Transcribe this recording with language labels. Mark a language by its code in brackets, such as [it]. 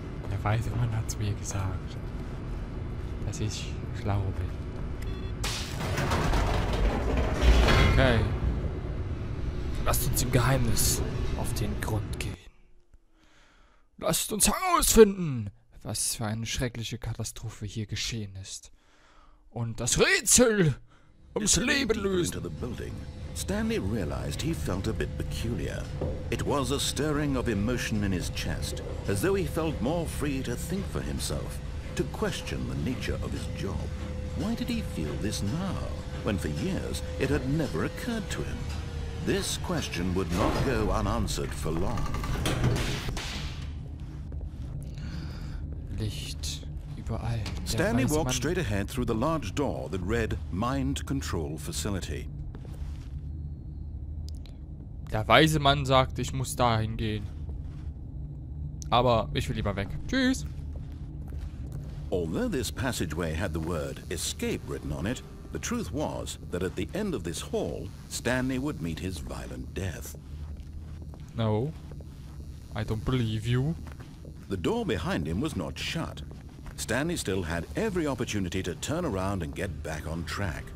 [de] Der weise Mann hat es mir gesagt, dass ich schlau bin. Okay. Lasst uns dem Geheimnis auf den Grund gehen. Lasst uns herausfinden, was für eine schreckliche Katastrophe hier geschehen ist. Und das Rätsel ums Leben lösen. [en] Into the building, Stanley realized he felt a bit peculiar. It was a stirring of emotion in his chest, as though he felt more free to think for himself, to question the nature of his job. Why did he feel this now, when for years it had never occurred to him? This question would not go unanswered for long. [de] Licht überall. [en] Stanley walked straight ahead through the large door that read Mind Control Facility. [de] Der weise Mann sagt, ich muss dahin gehen. Aber ich will lieber weg. Tschüss. [en] Although this passageway had the word escape written on it, the truth was that at the end of this hall, Stanley would meet his violent death. No, I don't believe you. The door behind him was not shut. Stanley still had every opportunity to turn around and get back on track.